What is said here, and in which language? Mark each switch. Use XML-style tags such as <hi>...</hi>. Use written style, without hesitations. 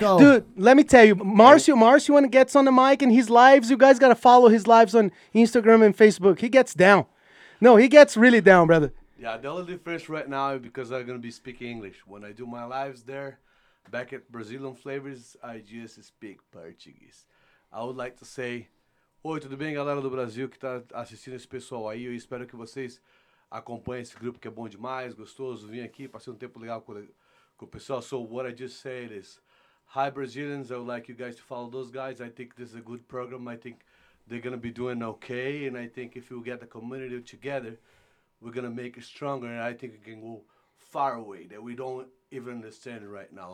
<en>Dude, let me tell you, Marshall, when he gets on the mic and his lives, you guys got to follow his lives on Instagram and Facebook. He gets down. No, he gets really down, brother. Yeah, the only difference right now is because I'm going to be speaking English. When I do my lives there, back at Brazilian Flavors, I just speak Portuguese.</en> <pt>I would like to say, oi, tudo bem, galera do Brasil que tá assistindo esse pessoal aí? Eu espero que vocês acompanhem esse grupo que é bom demais, gostoso. Vim aqui, passei tempo legal com o pessoal.</pt> <en>So what I just said is, hi Brazilians, I would like you guys to follow those guys. I think this is a good program. I think they're going to be doing okay. And I think if you get the community together, we're going to make it stronger. And I think we can go far away that we don't even understand right now.</en>